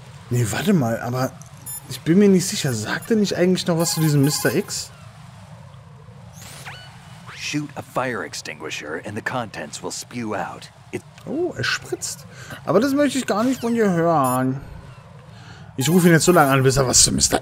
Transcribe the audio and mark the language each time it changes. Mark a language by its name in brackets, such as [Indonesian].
[German] Nee, warte mal, aber ich bin mir nicht sicher. Sagt er nicht eigentlich noch was zu diesem Mr. X? [English] Shoot a fire extinguisher and the contents will spew out. [German] Oh, er spritzt. Aber das möchte ich gar nicht von dir hören. Ich rufe ihn jetzt so lange an, bis er was zu Mr.